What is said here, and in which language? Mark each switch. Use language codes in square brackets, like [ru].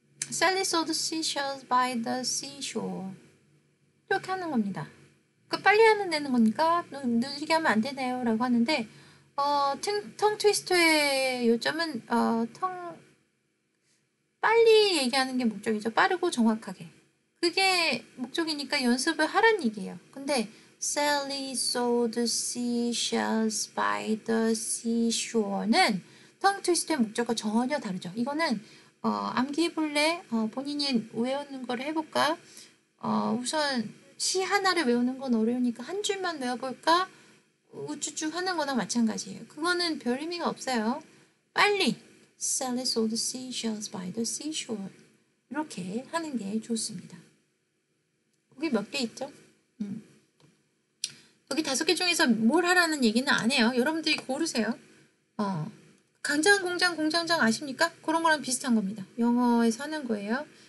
[en] 'Sally saw the seashells by the seashore.' [ko] 이렇게 하는 겁니다. 그 빨리 하면 되는 거니까 느리게 하면 안 되나요? 라고 하는데 텅 트위스터의 요점은 빨리 얘기하는 게 목적이죠. 빠르고 정확하게. 그게 목적이니까 연습을 하란 얘기예요. 근데 [en] 'Sally saw the seashells by the seashore'는 [ko] 텅 트위스터의 목적과 전혀 다르죠. 이거는 암기해볼래? 본인이 외우는 걸 해볼까? 우선 시 하나를 외우는 건 어려우니까 한 줄만 외워볼까? 우쭈쭈 하는 거나 마찬가지예요. 그거는 별 의미가 없어요. 빨리! [en] Sally saw the seashells by the seashore. [ko] 이렇게 하는 게 좋습니다. 거기 몇 개 있죠? 여기 다섯 개 중에서 뭘 하라는 얘기는 안 해요. 여러분들이 고르세요. 강장, 공장, 공장장 아십니까? 그런 거랑 비슷한 겁니다. 영어에서 하는 거예요.